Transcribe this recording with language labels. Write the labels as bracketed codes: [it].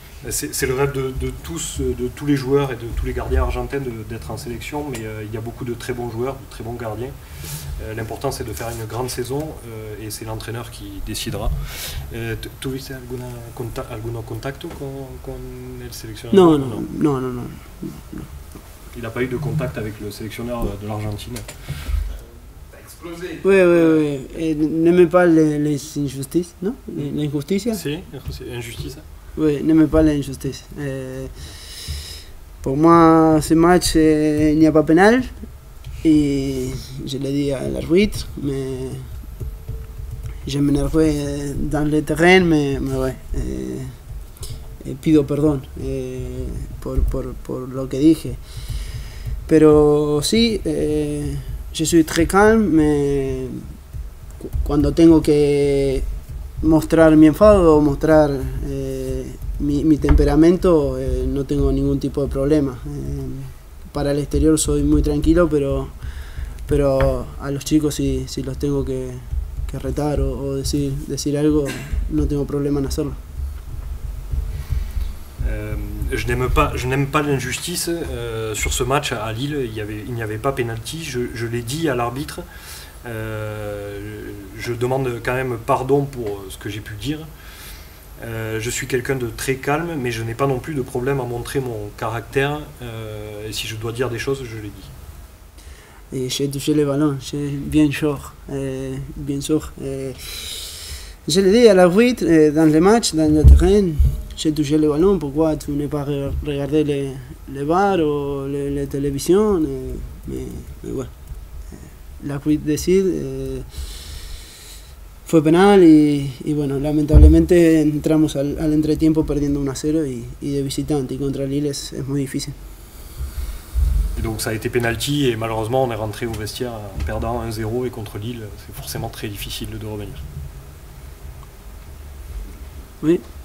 [fr] C'est le rêve de tous les joueurs et de tous les gardiens argentins d'être en sélection, mais il y a beaucoup de très bons joueurs, de très bons gardiens. L'important, c'est de faire une grande saison et c'est l'entraîneur qui décidera. [es] ¿Tú viste algún contacto con el seleccionador? [fr] Non. Il n'a pas eu de contact avec le sélectionneur de l'Argentine. Oui, oui, oui. N'aimez pas les injustices, non? L'injustice? Si, injustice. Oui, n'aimez pas l'injustice. Pour moi, ce match, il n'y a pas pénal. Et je l'ai dit à l'arbitre, mais je m'énervais dans le terrain, mais ouais. [es] Pido perdón por lo que dije. Pero sí, [fr] je suis très calme, mais [es] cuando tengo que mostrar mi enfado o mostrar mi temperamento, no tengo ningún tipo de problema. Para el exterior soy muy tranquilo, pero a los chicos si los tengo que retar o decir algo, no tengo problema en hacerlo. [fr] Je n'aime pas l'injustice sur ce match à Lille. Il n'y avait pas pénalty. Je l'ai dit à l'arbitre. Je demande quand même pardon pour ce que j'ai pu dire. Je suis quelqu'un de très calme, mais je n'ai pas non plus de problème à montrer mon caractère. Et si je dois dire des choses, je les dis. Et j'ai touché le ballon. C'est bien sûr. Bien sûr. Je l'ai dit à l'arbitre dans le match, dans le terrain. J'ai touché le ballon, pourquoi tu n'es pas regardé le bar ou la télévision? Mais ouais. La police décide. [es] Fue pénal et bueno, lamentablement, entramos al entretiempo perdiendo 1-0 et de visitante. [fr] Et contre Lille, c'est muy difficile. Et donc, ça a été pénalty et malheureusement, on est rentré au vestiaire en perdant 1-0 et contre Lille, c'est forcément très difficile de revenir. Oui.